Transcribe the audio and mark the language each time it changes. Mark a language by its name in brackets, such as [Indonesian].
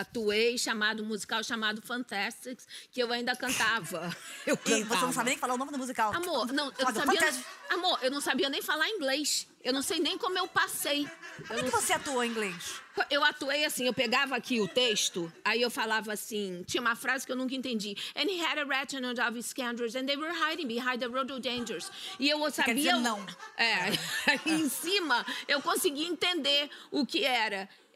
[Portuguese] Atuei, chamado musical chamado Fantastics, que eu ainda cantava. Eu cantava. E você não sabia nem falar o nome do musical. Amor, não, eu sabia. Amor, eu não sabia nem falar inglês. Eu não sei nem como eu passei. Como é que você atuou em inglês? Eu atuei assim, eu pegava aqui o texto, aí eu falava assim, tinha uma frase que eu nunca entendi. [English] And he had a retinue of scoundrels, and they were hiding behind the rhododendrons. [Portuguese] E eu sabia... Quer dizer, não. É, em cima, eu consegui entender o que era.